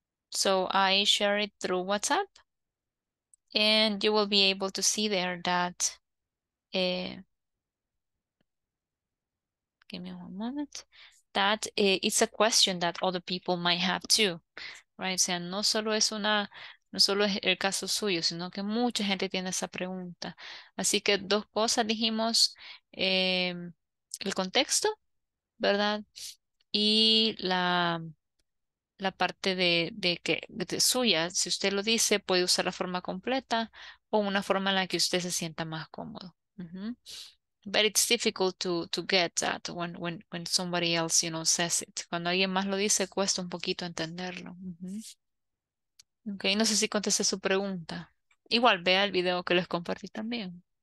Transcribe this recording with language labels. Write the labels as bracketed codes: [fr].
[en] So I share it through WhatsApp and you will be able to see there that give me one moment that it's a question that other people might have too, right? [es] O sea, no solo es el caso suyo, sino que mucha gente tiene esa pregunta. Así que dos cosas dijimos, el contexto, ¿verdad? Y la parte de suya, si usted lo dice, puede usar la forma completa o una forma en la que usted se sienta más cómodo. [en] But it's difficult to get that when somebody else, you know, says it. [es] Cuando alguien más lo dice, cuesta un poquito entenderlo. Okay, no sé si contesté su pregunta. Igual vea el video que les compartí también.